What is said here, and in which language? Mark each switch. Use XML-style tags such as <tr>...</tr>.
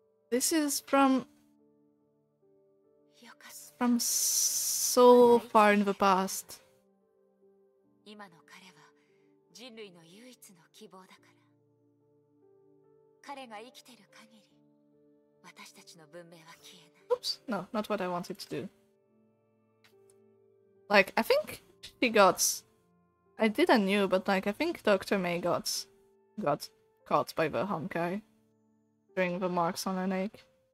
<en>This is from so far in the past.</en> <ja>今の彼は人類の唯一の希望だから。彼が生きてる限り私たちの文明は消えない。</ja> <en>Oops, no, not what I wanted to do. Like, I think she got... I didn't know, but like, I think Dr. May got caught by the Honkai during the marks on her neck.</en>